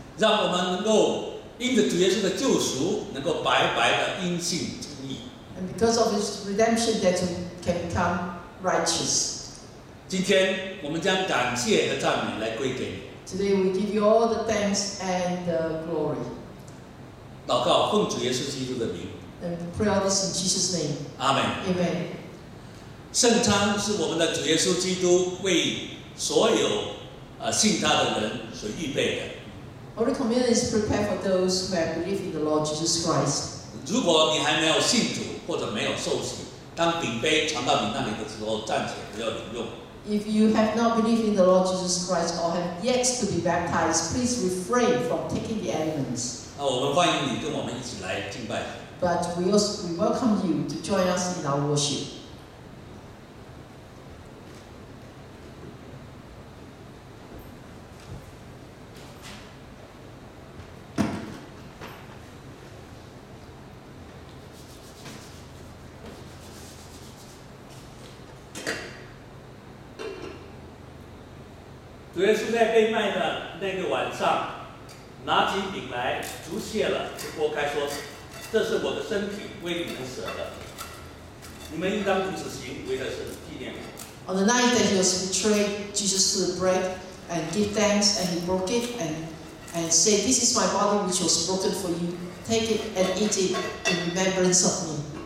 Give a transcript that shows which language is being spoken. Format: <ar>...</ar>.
<zh>让我们能够因着主耶稣的救赎，能够白白的因信称义。</zh> <en>And because of his redemption, that we can become righteous.</en> <zh>今天我们将感谢和赞美来归给你。</zh> <en>Today we give you all the thanks and the glory.</en> <zh>祷告奉主耶稣基督的名。</zh> <en>And pray all this in Jesus' name. Amen. Amen.</en> <zh>圣餐是我们的主耶稣基督为所有信他的人所预备的。</zh> <en>Holy Communion is prepared for those who have believed in the Lord Jesus Christ.</en> <zh>如果你还没有信主或者没有受洗，当饼杯传到你那里的时候，暂且不要饮用。</zh> <en>If you have not believed in the Lord Jesus Christ or have yet to be baptized, please refrain from taking the elements.</en> <zh>那我们欢迎你跟我们一起来敬拜。</zh> <en>But we welcome you to join us in our worship.</en> <zh>Jesus 在被卖的那个晚上，拿起饼来，祝谢了，就擘开说。这是我的身体，为你们舍的。你们应当如此行，为的是纪念我。</zh> <en>On the night that he was betrayed, Jesus took bread and gave thanks, and he broke it and said, "This is my body, which was broken for you. Take it and eat it in remembrance of me."</en>